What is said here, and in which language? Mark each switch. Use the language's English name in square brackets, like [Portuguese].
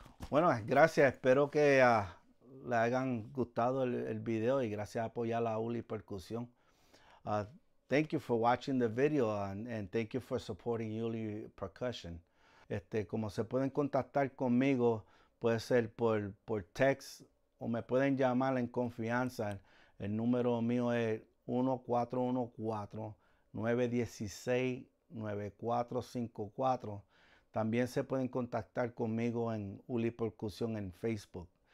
[Spanish] Bueno, gracias. Espero que le hayan gustado el video y gracias por apoyar la Ulipercussion. [English] Thank you for watching the video and thank you for supporting Ulipercussion. [Spanish] Como se pueden contactar conmigo, puede ser por text. O me pueden llamar en confianza. El número mío es 1414-916-9454. También se pueden contactar conmigo en Ulipercussion en Facebook.